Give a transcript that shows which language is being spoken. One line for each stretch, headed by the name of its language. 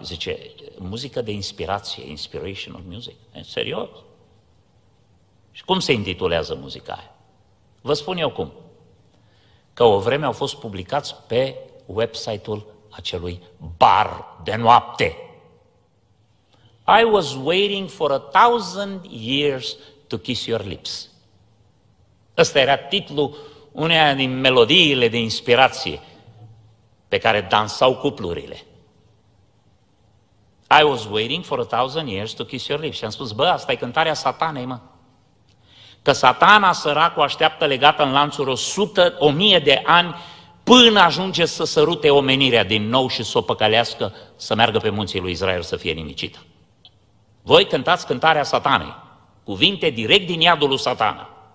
Romanian: Zice, muzică de inspirație,
English: inspirational music.
Romanian: E serios? Și cum se intitulează muzica aia? Vă spun eu cum. Că o vreme au fost publicați pe website-ul acelui bar de noapte.
English: I was waiting for 1,000 years to kiss your lips.
Romanian: Ăsta era titlul uneia din melodiile de inspirație pe care dansau cuplurile.
English: I was waiting for 1,000 years to kiss your lips.
Romanian: Și am spus, bă, asta e cântarea satanei, mă. Că satana săracul așteaptă legată în lanțuri 1,000 de ani până ajunge să sărute omenirea din nou și să o păcălească să meargă pe munții lui Israel să fie nimicită. Voi cântați cântarea satanei. Cuvinte direct din iadul lui Satana.